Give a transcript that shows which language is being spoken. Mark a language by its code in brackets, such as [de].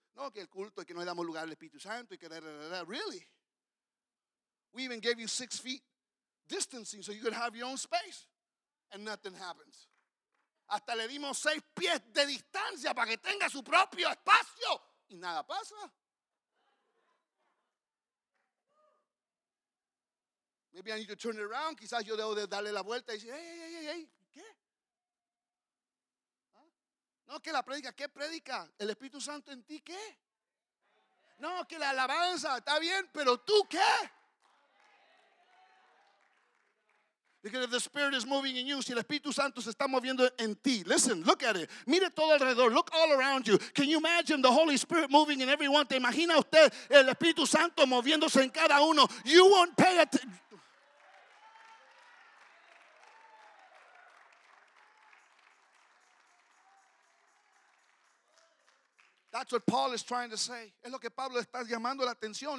[es] No, que el culto y que no le damos lugar al Espíritu Santo y que da. [en] Really? We even gave you 6 feet distancing so you could have your own space. And nothing happens. [es] Hasta le dimos 6 pies de distancia para que tenga su propio espacio. Y nada pasa. [en] Maybe I need to turn it around. [es] Quizás yo debo de darle la vuelta y decir, [en] hey, hey, hey, hey, hey. [es] ¿Qué? ¿Ah? No, que la predica, ¿qué predica? ¿El Espíritu Santo en ti qué? No, que la alabanza, está bien, pero ¿tú qué? [en] Because if the Spirit is moving in you, [es] si el Espíritu Santo se está moviendo en ti, [en] listen, look at it. [es] Mire todo alrededor. [en] Look all around you. Can you imagine the Holy Spirit moving in everyone? [es] ¿Te imagina usted el Espíritu Santo moviéndose en cada uno? [en] You won't pay attention. That's what Paul is trying to say. [es] Es lo que Pablo está llamando la atención.